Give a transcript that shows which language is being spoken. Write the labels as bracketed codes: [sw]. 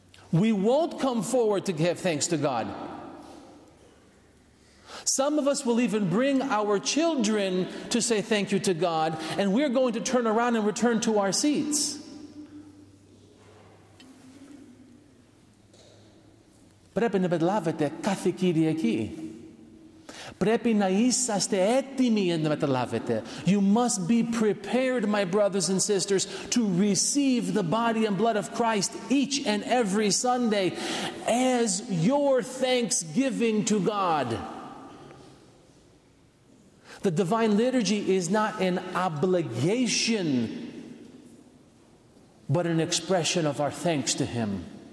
[en] We won't come forward to give thanks to God. Some of us will even bring our children to say thank you to God, and we're going to turn around and return to our seats. [el] Πρέπει να μεταλάβετε κάθε Κυριακή. Πρέπει να είσαστε έτοιμοι να μεταλάβετε. [en] You must be prepared, my brothers and sisters, to receive the body and blood of Christ each and every Sunday as your thanksgiving to God. The divine liturgy is not an obligation, but an expression of our thanks to Him.